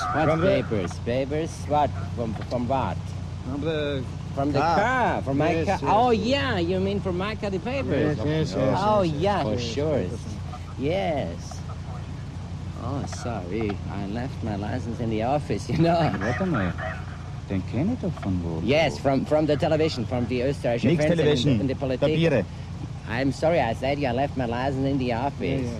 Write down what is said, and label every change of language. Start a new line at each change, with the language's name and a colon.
English: What papers? The... Papers? What? From what? From the car. From my car. Oh, yeah, you mean from my car, the papers? Yes. Oh, yes, yeah. for sure. Yes. Oh, sorry. I left my license in the office, you know. What am I?
German: Den kenne ich doch von wo.
English: Yes, from the television, from the Österreichische
German: Nix Fernsehen television.
English: In the Politik.
German: Papiere.
English: I'm sorry, I said you left my license in the office.